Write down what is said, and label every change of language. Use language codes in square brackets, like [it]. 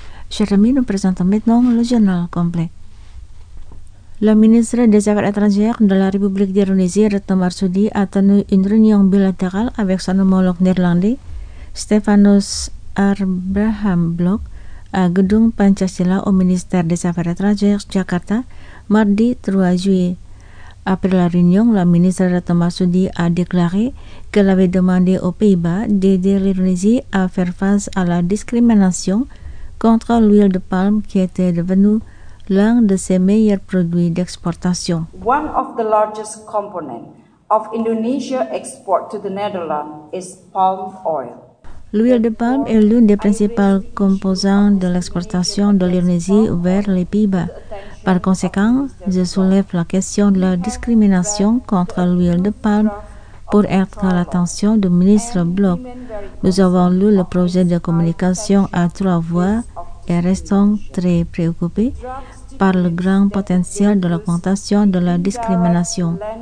[fr] Jérémy nous présente maintenant le journal complet. Le ministre des Affaires étrangères de la République d'Indonésie, Retno Marsudi, a tenu une réunion bilatérale avec son homologue néerlandais, Stefanus Abraham Blok, à Gedung Pancasila au ministère des Affaires étrangères, Jakarta, mardi 3 juillet. Après la réunion, le ministre Retno Marsudi a déclaré qu'elle avait demandé aux Pays-Bas d'aider l'Indonésie à faire face à la discrimination contre l'huile de palme qui était devenue l'un de ses meilleurs produits d'exportation. [en] One of the largest components of Indonesia's export to the Netherlands is palm oil. [fr] L'huile de palme est l'une des principales composantes de l'exportation de l'Indonésie vers les Pays-Bas. Par conséquent, je soulève la question de la discrimination contre l'huile de palme pour être à l'attention du ministre Blok. Nous avons lu le projet de communication à trois voix et restons très préoccupés par le grand potentiel de l'augmentation de la discrimination.